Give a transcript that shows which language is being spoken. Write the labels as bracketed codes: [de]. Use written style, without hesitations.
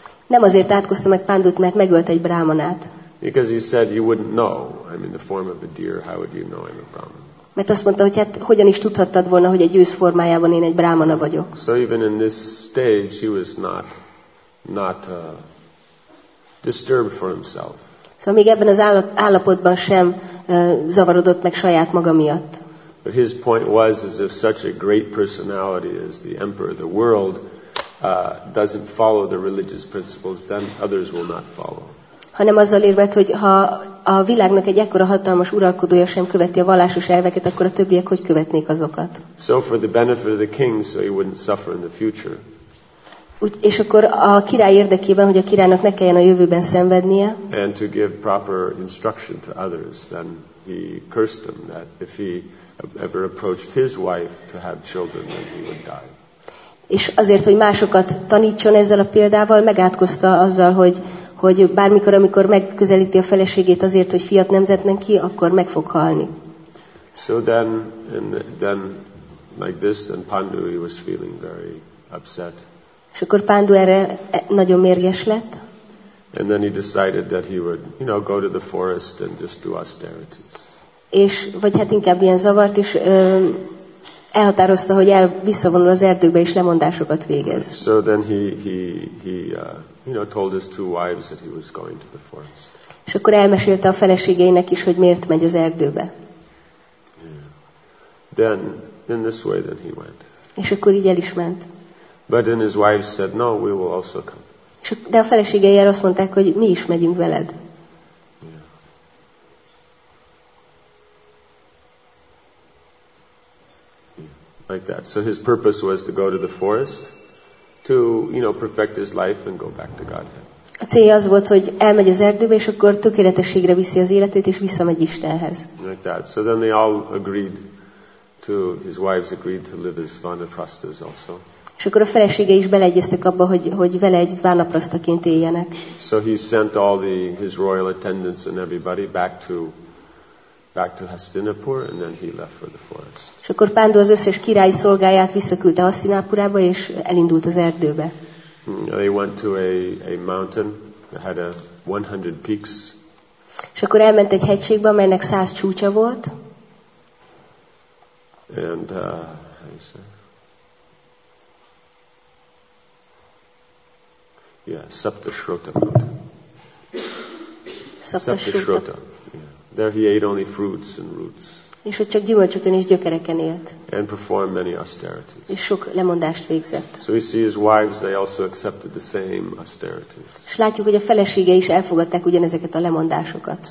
[hu] Nem azért átkozta meg Pandut, mert megölt egy brámanát. [en] Because he said you wouldn't know. I'm in the form of a deer. How would you know I'm a brahman? [hu] Mert azt mondta, hogy hát hogyan is tudhattad volna, hogy egy ősz formájában én egy brámana vagyok. [en] So even in this stage he was not disturbed for himself. [hu] Szóval még ebben az állapotban sem zavarodott meg saját maga miatt. [en] But his point was as if such a great personality as the emperor of the world doesn't follow the religious principles, then others will not follow. [hu] hanem azzal érvelt, hogy ha a világnak egy ekkora hatalmas uralkodója sem követi a vallásos elveket, akkor a többiek hogy követnék azokat? [en] So for the benefit of the king, so he wouldn't suffer in the future. [hu] És akkor a király érdekében, hogy a királynak ne kelljen a jövőben szenvednie. [en] And to give proper instruction to others, then he cursed them that if he ever approached his wife to have children, then he would die. [hu] És azért, hogy másokat tanítson ezzel a példával, megátkozta azzal, hogy bármikor, amikor megközelíti a feleségét azért, hogy fiat nemzetnek ki, akkor meg fog halni. [en] So then, and then like this, then Pandu he was feeling very upset. [hu] És akkor Pandu erre nagyon mérges lett. [en] And then he decided that he would, you know, go to the forest and just do austerities. [hu] És vagy hát inkább ilyen zavart is. Elhatározta, hogy visszavonul az erdőbe és lemondásokat végez. [en] So then he told his two wives that he was going to the forest. [hu] És akkor elmesélte a feleségeinek is, hogy miért megy az erdőbe. [en] Yeah. Then in this way then he went. [hu] És akkor így el is ment. [en] But then his wives said, no, we will also come. [hu] De a feleségei azt mondták, hogy mi is megyünk veled. [en] Like that. So his purpose was to go to the forest to, you know, perfect his life and go back to Godhead. [hu] A célja az volt, hogy elmegy az erdőbe, és akkor tökéletességre viszi az életét, és visszamegy Istenhez. [en] Like that. So then they all agreed to, his wives agreed to live as vanaprasthas also. [hu] És akkor a felesége is beleegyeztek abba, hogy vele együtt vanaprasztaként éljenek. [en] So he sent all his royal attendants and everybody back to Hastinapur, and then he left for the forest. [hu] És akkor Pandu az összes királyi szolgáját visszaküldte Hastinapurába, és elindult az erdőbe. [en] They went to a mountain that had a 100 peaks. [hu] És akkor elment egy hegységbe, amelynek 100 csúcsa volt. [en] And how you say? Yeah, Saptashrota mountain. Saptashrota. There he ate only fruits and roots. [hu] És ott csak gyümölcsöken és gyökereken élt. [en] And performed many austerities. [hu] És sok lemondást végzett. [en] So we see his wives, they also accepted the same austerities. [hu] És látjuk, hogy a felesége is elfogadták ugyanezeket a lemondásokat.